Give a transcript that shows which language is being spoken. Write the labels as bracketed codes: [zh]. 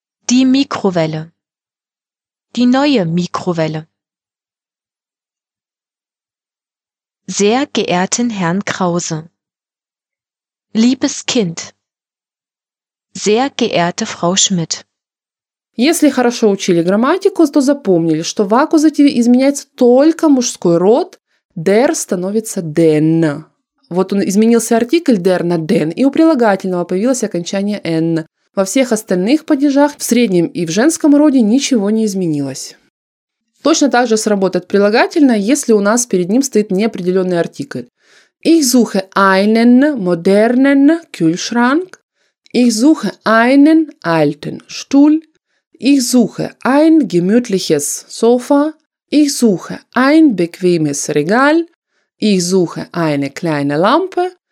[de] Die Mikrowelle. Die neue Mikrowelle. Sehr geehrten Herrn Krause. Liebes Kind. Sehr geehrte Frau Schmidt. [ru] Если хорошо учили грамматику, то запомнили, что в акузативе изменяется только мужской род. [de] Der становится den. [ru] Вот он изменился артикль der на den, и у прилагательного появилось окончание n. Во всех остальных падежах, в среднем и в женском роде, ничего не изменилось. Точно так же сработает прилагательное, если у нас перед ним стоит неопределенный артикль. [de] Ich suche einen modernen Kühlschrank. Ich suche einen alten Stuhl. Ich suche ein gemütliches Sofa. Ich suche ein bequemes Regal. Ich suche eine kleine Lampe.